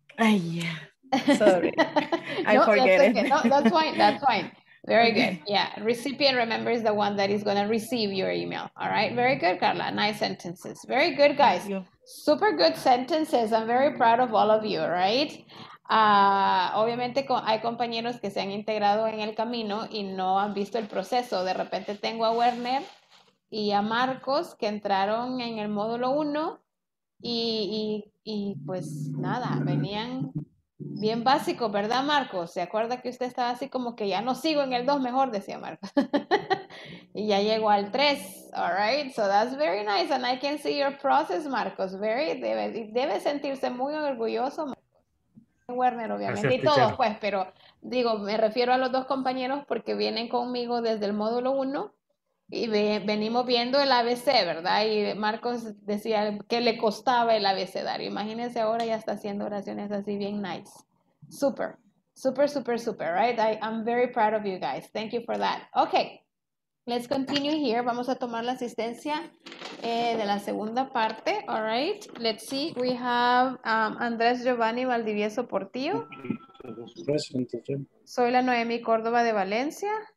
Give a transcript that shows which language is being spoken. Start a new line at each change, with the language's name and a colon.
English: Yeah. Sorry, I forget that's okay. It. No, that's fine. Very good. Yeah, recipient, remember, is the one that is going to receive your email. All right, very good, Carla. Nice sentences. Very good, guys. Super good sentences. I'm very proud of all of you, right?
Spanish: Obviamente, hay compañeros que se han integrado en el camino y no han visto el proceso. De repente tengo a Werner y a Marcos que entraron en el módulo 1 y pues nada, venían... Bien básico, ¿verdad, Marcos? ¿Se acuerda que usted estaba así como que ya no sigo en el 2 mejor, decía Marcos? Y ya llegó al 3,
English: all right? So that's very nice, and I can see your process, Marcos.
Spanish: Debe sentirse muy orgulloso, Marcos. Werner, obviamente, gracias, y todos, teacher. Pues, pero digo, me refiero a los dos compañeros porque vienen conmigo desde el módulo 1 y venimos viendo el ABC, ¿verdad? Y Marcos decía que le costaba el abecedario. Imagínense ahora ya está haciendo oraciones así bien nice.
English: Super, super, super, super, right? I'm very proud of you guys. Thank you for that. Okay, Let's continue here.
Spanish: Vamos a tomar la asistencia de la segunda parte.
English: All right. Let's see. We have Andrés Giovanni Valdivieso Portillo. Present.
Spanish: Soy la Noemi Córdoba de Valencia.